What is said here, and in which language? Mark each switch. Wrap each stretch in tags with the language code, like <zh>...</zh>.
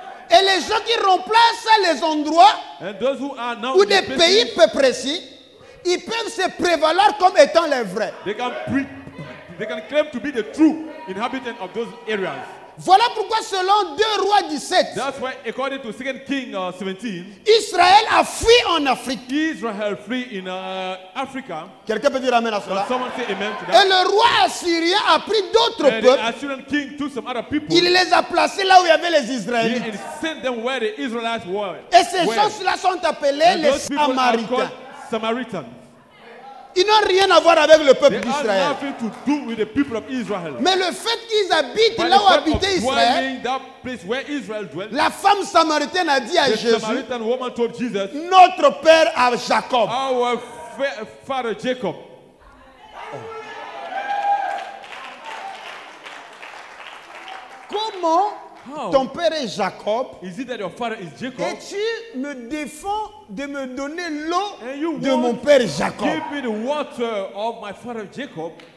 <fr>Et les gens qui remplacent les endroits ou des pays peu précis, ils peuvent se prévaloir comme étant les vrais.</fr> <en>They can claim to be the true inhabitant of those areas.</en> <fr>Voilà pourquoi selon 2 Rois 17,</fr> <en>that's why according to 2 Kings 17,</en> <fr>Israël a fui en Afrique.</fr> <en>Israel flee in Africa.</en> <fr>Quelqu'un peut dire amen à cela?</fr> <en>Can someone say amen to that?</en> <fr>Et le roi assyrien a pris d'autres peuples.</fr> <en>And the Assyrian king took some other people.</en> <fr>Il les a placés là où il y avait les Israélites.</fr> <en>And sent them where the Israelites were.</en> <fr>Et ces gens-là sont appelés les Samaritains. Ils n'ont rien à voir avec le peuple d'Israël. Mais le fait qu'ils habitent là où habitait Israël, la femme samaritaine a dit à Jésus,</fr> <en>Samaritan woman told Jesus,</en> <fr>notre père à Jacob.</fr> <en>Our father Jacob. Oh.</en> <fr>comment ton père est Jacob,</fr> <en>is it that your father is Jacob?</en> <fr>Et tu me défends de me donner l'eau de mon père Jacob.</fr> <en>Give me the water of my father Jacob.</en>